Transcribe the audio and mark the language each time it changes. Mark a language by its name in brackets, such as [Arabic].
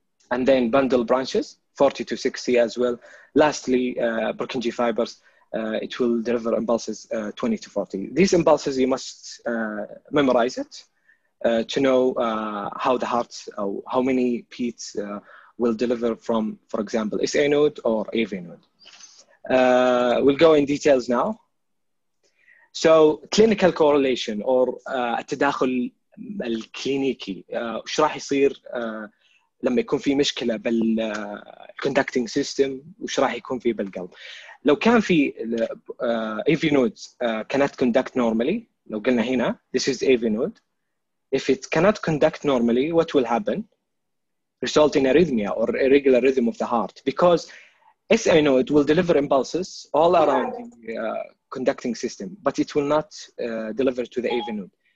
[English] And then bundle branches, 40 to 60 as well. Lastly, Purkinje fibers, it will deliver impulses 20 to 40. These impulses, you must memorize it to know how the heart, how many beats will deliver from, for example, SA node or AV node. We'll go in details now. So clinical correlation or [Arabic] التداخل الكلينيكي, وش راح يصير لما يكون في مشكلة بالconducting system وش راح يكون في بالقلب. لو كان في [English] AV nodes cannot conduct normally, [Arabic] لو قلنا هنا, [English] this is AV node. If it cannot conduct normally, what will happen? Result in arrhythmia or irregular rhythm of the heart because SA node will deliver impulses all around the conducting system, but it will not deliver to the AV node.